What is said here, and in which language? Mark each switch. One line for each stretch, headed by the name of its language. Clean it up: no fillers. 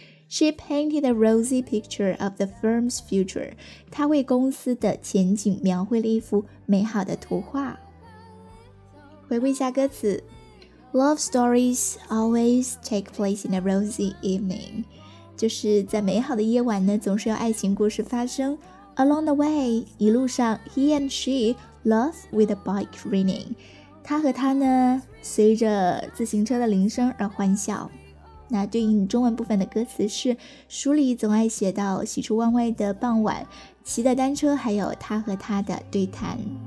English: She painted a rosy picture of the firm's future.
Chinese: 她为公司的前景描绘了一幅美好的图画。回顾一下歌词，
English: Love stories always take place in a rosy evening.
Chinese: 就是在美好的夜晚呢，总是有爱情故事发生。
English: Along the way,
Chinese: 一路上，
English: he and she love with a bike ringing.
Chinese: 他和她呢，随着自行车的铃声而欢笑。那对应中文部分的歌词是，书里总爱写到喜出望外的傍晚，骑的单车，还有他和他的对谈。